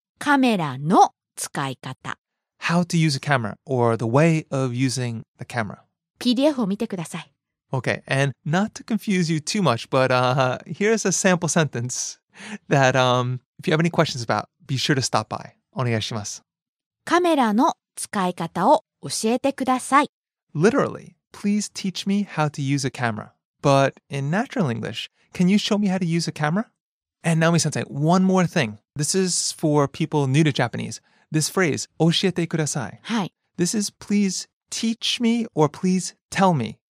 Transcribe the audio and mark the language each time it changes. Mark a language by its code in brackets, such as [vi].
[ja] カメラの使い方。 [en] How to use a camera or the way of using the camera. [ja] PDF を見てください。 [en] Okay, and not to confuse you too much, but here's a sample sentence that if you have any questions about, be sure to stop by. [ja] お願いします。カメラの使い方を教えてください。 [en] Literally, please teach me how to use a camera. But in natural English, can you show me how to use a camera? And Naomi-sensei, one more thing. This is for people new to Japanese. This phrase, [ja] 教えてください。はい。 [en] This is please teach me or please tell me.